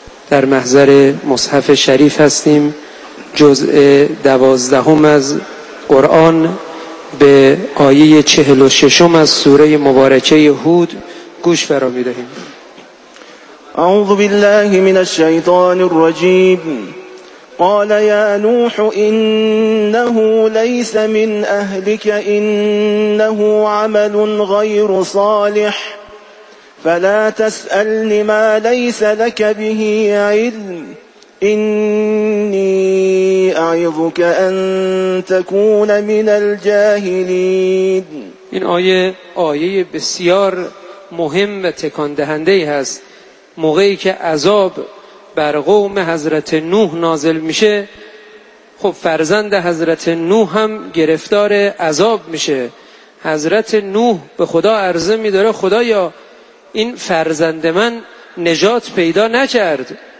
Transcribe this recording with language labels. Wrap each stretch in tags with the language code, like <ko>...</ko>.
<fa>در محضر مصحف شریف هستیم، جزء 12 از قرآن به آیه 46 از سوره مبارکه هود گوش فرا می دهیم.</fa> <ar>اعوذ بالله من الشیطان الرجیم. قال یا نوح انه ليس من اهلك انه عمل غير صالح فلا تسألني ما ليس لك به علم إني أعظك أن تكون من الجاهلين.</ar> <fa>این آیه بسیار مهم و تکان دهنده ای هست. موقعی که عذاب بر قوم حضرت نوح نازل میشه، خب فرزند حضرت نوح هم گرفتار عذاب میشه. حضرت نوح به خدا عرضه میداره خدایا این فرزند من نجات پیدا نکرد.</fa>